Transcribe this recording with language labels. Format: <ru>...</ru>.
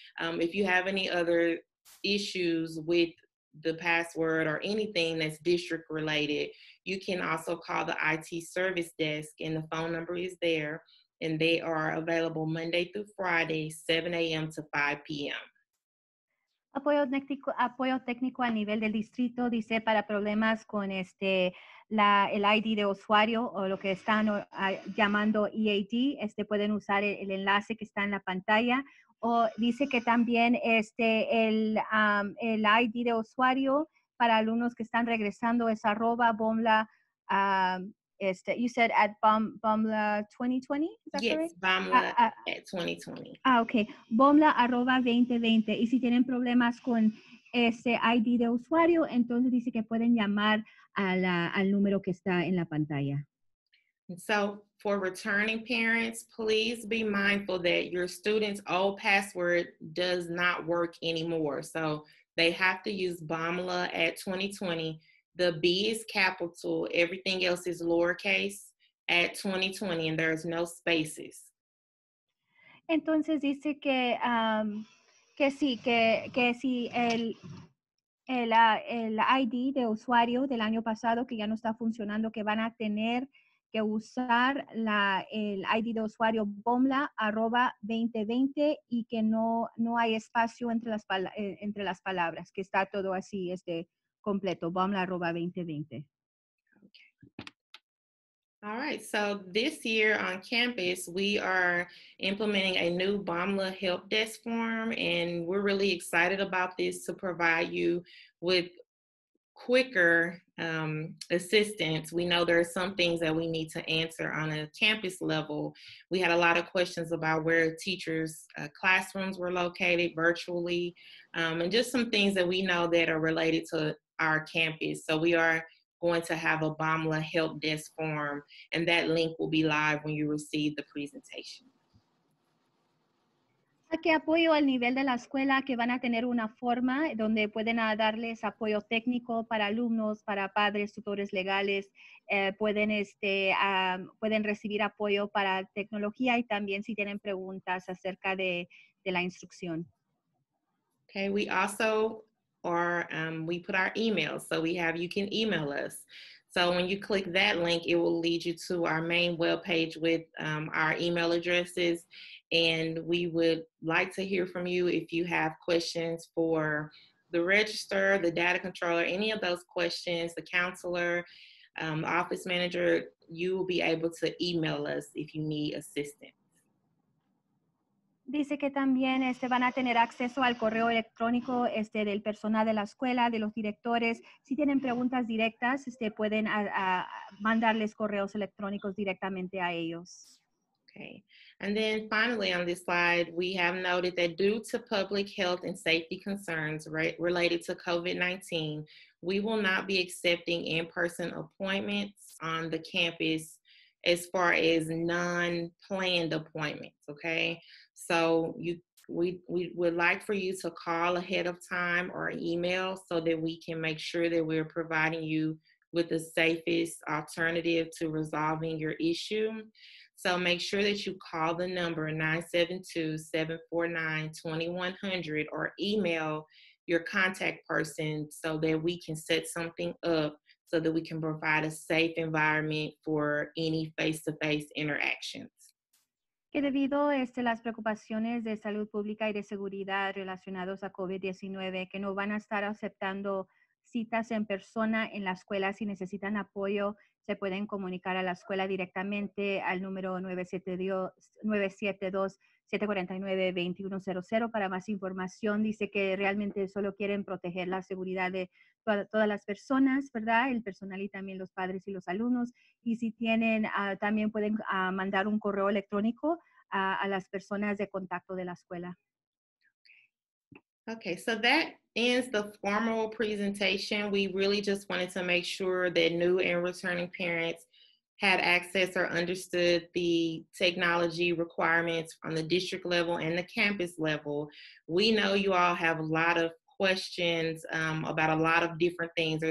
<en>If you have any other issues with the password or anything that's district related, you can also call the IT service desk, and the phone number is there, and they are available Monday through Friday, 7 a.m. to 5 p.m.</en> <es>Apoyo técnico a nivel del distrito, dice, para problemas con el ID de usuario o lo que están llamando EAD, pueden usar el enlace que está en la pantalla. O dice que también el ID de usuario para alumnos que están regresando es @bomla</es> <en>You said at BOMLA 2020, is that yes, correct? Yes, BOMLA at 2020. Ah, okay. BOMLA@2020.</en> <es>Y si tienen problemas con ese ID de usuario, entonces dice que pueden llamar al número que está en la pantalla.</es> <en>So, for returning parents, please be mindful that your student's old password does not work anymore. So, they have to use BOMLA at 2020. The B is capital, everything else is lowercase, at 2020, and there's no spaces.</en> <es>Entonces dice que que sí, que si el ID de usuario del año pasado que ya no está funcionando, que van a tener que usar el ID de usuario BOMLA@2020 y que no hay espacio entre las palabras, que está todo así, completo, BOMLA@2020.</es> <en>All right, so this year on campus, we are implementing a new BOMLA help desk form, and we're really excited about this to provide you with quicker assistance. We know there are some things that we need to answer on a campus level. We had a lot of questions about where teachers' classrooms were located virtually, and just some things that we know that are related to our campus. So we are going to have a BOMLA help desk form, and that link will be live when you receive the presentation.</en> <es>Aquí apoyo al nivel de la escuela que van a tener una forma donde pueden darles apoyo técnico para alumnos, para padres, tutores legales, pueden recibir apoyo para tecnología y también si tienen preguntas acerca de la instrucción.</es> <en>Okay, we also we put our emails, so you can email us. So when you click that link, it will lead you to our main webpage with our email addresses. And we would like to hear from you if you have questions for the register, the data controller, any of those questions, the counselor, office manager, you will be able to email us if you need assistance.</en> <es>Dice que también van a tener acceso al correo electrónico del personal de la escuela, de los directores. Si tienen preguntas directas, pueden mandarles correos electrónicos directamente a ellos.</es> <en>Okay. And then finally on this slide, we have noted that due to public health and safety concerns related to COVID-19, we will not be accepting in-person appointments on the campus as far as non-planned appointments, okay? So we would like for you to call ahead of time or email so that we can make sure that we're providing you with the safest alternative to resolving your issue. So make sure that you call the number 972-749-2100 or email your contact person so that we can set something up so that we can provide a safe environment for any face-to-face interactions.</en> <es>Que debido a las preocupaciones de salud pública y de seguridad relacionados a COVID-19, que no van a estar aceptando citas en persona en la escuela, si necesitan apoyo, se pueden comunicar a la escuela directamente al número 972-749-2100 para más información. Dice que realmente solo quieren proteger la seguridad de todas las personas, ¿verdad? El personal y también los padres y los alumnos. Y si tienen, también pueden mandar un correo electrónico a las personas de contacto de la escuela.</es> <en>Okay, so that ends the formal presentation. We really just wanted to make sure that new and returning parents had access or understood the technology requirements on the district level and the campus level. We know you all have a lot of questions about a lot of different things.</en>